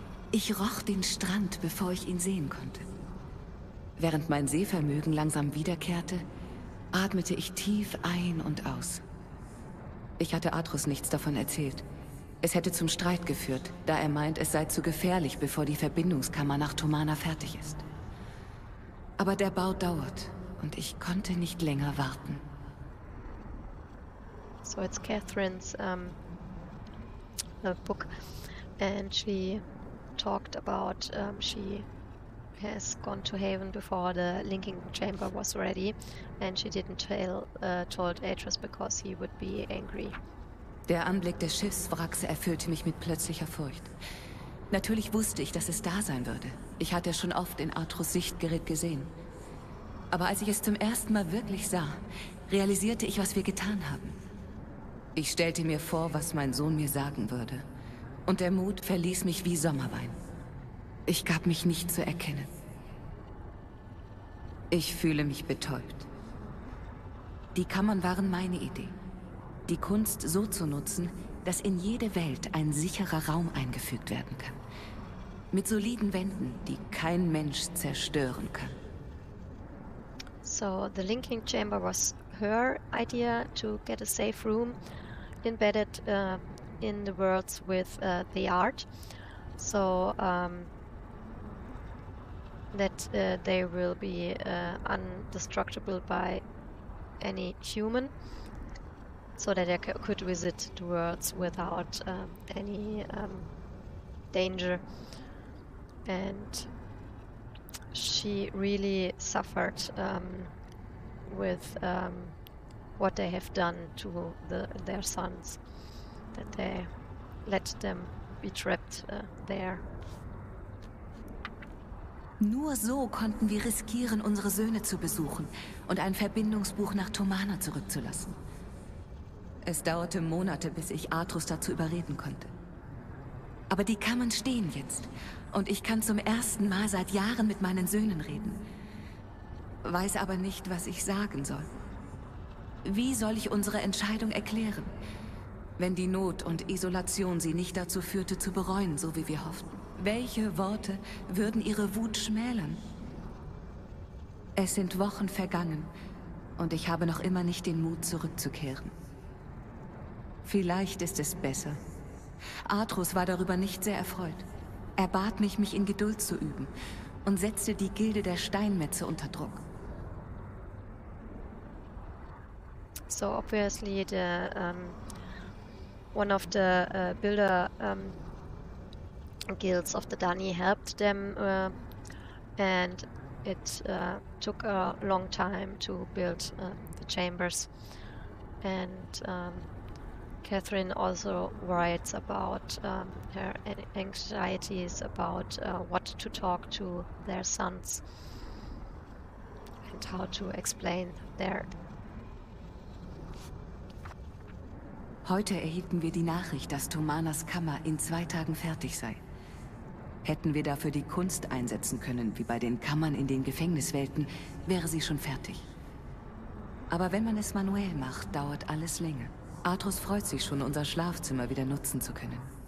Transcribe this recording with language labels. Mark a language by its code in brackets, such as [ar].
[de] Ich roch den Strand, bevor ich ihn sehen konnte. Während mein Sehvermögen langsam wiederkehrte, atmete ich tief ein und aus. Ich hatte Atrus nichts davon erzählt. Es hätte zum Streit geführt, da er meint, es sei zu gefährlich, bevor die Verbindungskammer nach Tumana fertig ist. Aber der Bau dauert und ich konnte nicht länger warten. [en] So, it's Catherine's book, and she talked about she has gone to Haven before the linking chamber was ready, and she didn't tell told Atris because he would be angry. [de] Der Anblick des Schiffswracks erfüllte mich mit plötzlicher Furcht. Natürlich wusste ich, dass es da sein würde. Ich hatte es schon oft in Atrus Sichtgerät gesehen. Aber als ich es zum ersten Mal wirklich sah, realisierte ich, was wir getan haben. Ich stellte mir vor, was mein Sohn mir sagen würde. Und der Mut verließ mich wie Sommerwein. Ich gab mich nicht zu erkennen. Ich fühle mich betäubt. Die Kammern waren meine Idee. Die Kunst so zu nutzen, dass in jede Welt ein sicherer Raum eingefügt werden kann. Mit soliden Wänden, die kein Mensch zerstören kann. [en] So, the linking chamber was her idea to get a safe room embedded in the worlds with the art. So, that they will be indestructible by any human, so that they could visit the worlds without any danger. and she really suffered with what they have done to their sons, that they let them be trapped there. [de] Nur so konnten wir riskieren, unsere Söhne zu besuchen und ein Verbindungsbuch nach Tomana zurückzulassen. Es dauerte Monate, bis ich Atrus dazu überreden konnte. Aber die Kammern stehen jetzt und ich kann zum ersten Mal seit Jahren mit meinen Söhnen reden. Weiß aber nicht, was ich sagen soll. Wie soll ich unsere Entscheidung erklären, wenn die Not und Isolation sie nicht dazu führte, zu bereuen, so wie wir hofften? Welche Worte würden ihre Wut schmälern? Es sind Wochen vergangen und ich habe noch immer nicht den Mut, zurückzukehren. Vielleicht ist es besser. Atrus war darüber nicht sehr erfreut. Er bat mich, mich in Geduld zu üben und setzte die Gilde der Steinmetze unter Druck. [en] So obviously the one of the builder guilds of the Dani helped them and it took a long time to build the chambers, and Catherine also writes about her anxieties about what to talk to their sons and how to explain their. [de] Heute erhielten wir die Nachricht, dass Tomanas Kammer in 2 Tagen fertig sei. Hätten wir dafür die Kunst einsetzen können, wie bei den Kammern in den Gefängniswelten, wäre sie schon fertig. Aber wenn man es manuell macht, dauert alles länger. Atrus freut sich schon, unser Schlafzimmer wieder nutzen zu können.